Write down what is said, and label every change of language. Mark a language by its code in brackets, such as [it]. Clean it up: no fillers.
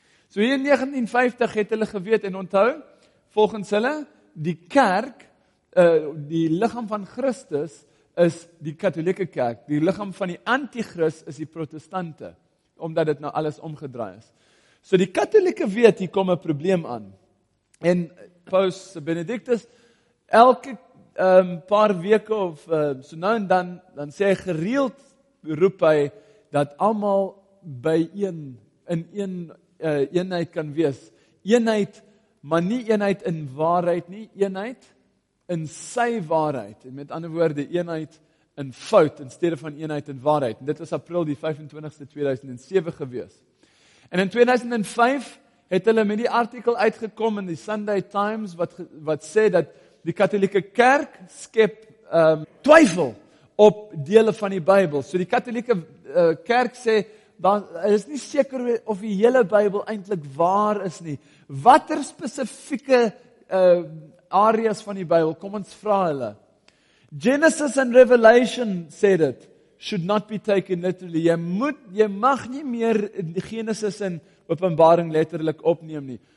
[af] So hier in 1950 het hulle geweet en onthou, volgens hulle, die kerk, die liggaam van Christus is die katholieke kerk, die liggaam van die antichrist is die protestante, omdat dit nou alles omgedraai is. So die katholieke weet, hier kom 'n probleem aan. En paus Benedictus, elke paar weke of so nou en dan, dan sê hy gereeld, roep hy, dat allemaal by een, in een eenheid kan wees. Eenheid, maar nie eenheid in waarheid nie, eenheid in sy waarheid. En met ander woorde, eenheid in fout, in stede van eenheid in waarheid. En dit was april die 25ste 2007 gewees. En in 2005 het hulle met die artikel uitgekom in die Sunday Times, wat sê dat die katholieke kerk skep twyfel op dele van die Bybel. So die katholieke kerk sê, daar is nie seker of die hele Bybel eintlik waar is nie. Watter spesifieke areas van die Bybel, kom ons vra hulle. [en] Genesis and Revelation said it should not be taken literally. [af] Jy mag nie meer Genesis en Openbaring letterlik opneem nie.